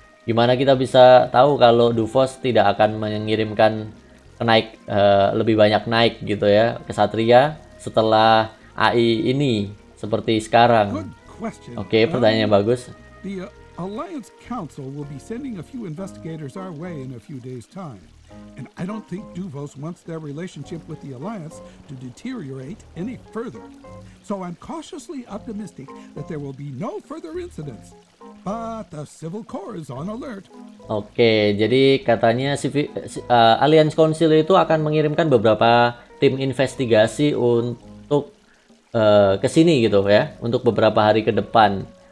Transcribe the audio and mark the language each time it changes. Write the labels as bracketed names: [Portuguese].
[Indonesian] Gimana kita bisa tahu kalau Duvos tidak akan mengirimkan lebih banyak gitu ya kesatria setelah AI ini seperti sekarang? Oke, pertanyaannya bagus. [English] The Alliance Council will be sending a few investigators our way in a few days time, and I don't think Duvos wants their relationship with the Alliance to deteriorate any further. So I'm cautiously optimistic that there will be no further incidents. But the Civil Corps is on alert. [Indonesian] Oke, jadi katanya Alliance Council itu akan mengirimkan beberapa tim investigasi untuk kesini gitu ya, untuk beberapa hari ke depan.